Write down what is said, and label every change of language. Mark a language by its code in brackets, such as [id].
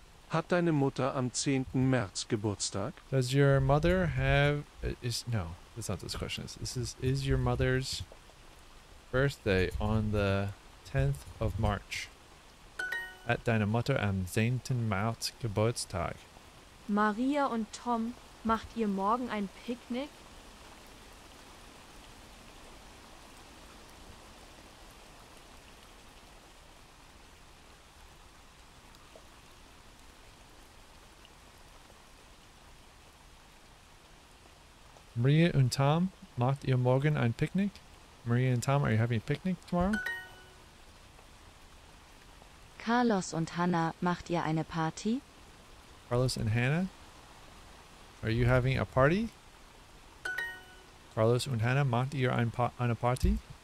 [de] Hat deine Mutter am 10. März Geburtstag? [en] Does your mother have... Is, no, that's not this question. This is your mother's birthday on the 10th of March? [de] Hat deine Mutter am 10. März Geburtstag? Maria und Tom, macht ihr morgen ein Picknick? Maria und Tom, macht ihr morgen ein Picknick? [en] Maria und Tom, are you having a picnic tomorrow? [de] Carlos und Hannah, macht ihr eine Party? [en] Carlos and Hannah, are you having a party? [de] Carlos und Hannah, macht ihr eine Party?